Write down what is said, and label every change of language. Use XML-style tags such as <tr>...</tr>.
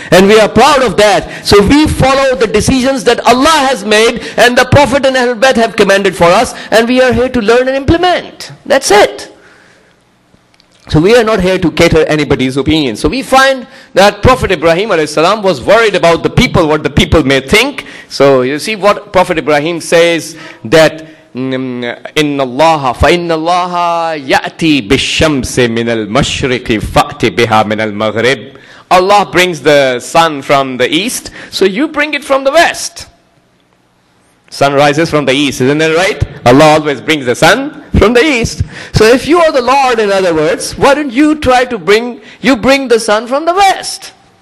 <en>And we are proud of that. So we follow the decisions that Allah has made and the Prophet and Ahlul Bayt have commanded for us. And we are here to learn and implement. That's it. So we are not here to cater anybody's opinion. So we find that Prophet Ibrahim alayhi salam was worried about the people, what the people may think. So you see what Prophet Ibrahim says, that</en> <ar>إِنَّ اللَّهَ فَإِنَّ اللَّهَ يَأْتِي بِالشَّمْسِ مِنَ الْمَشْرِقِ فَأْتِ بِهَا مِنَ الْمَغْرِبِ.</ar> <en>Allah brings the sun from the east, so you bring it from the west. Sun rises from the east, isn't that right? Allah always brings the sun from the east. So if you are the Lord, in other words, why don't you try to bring the sun from the west?</en>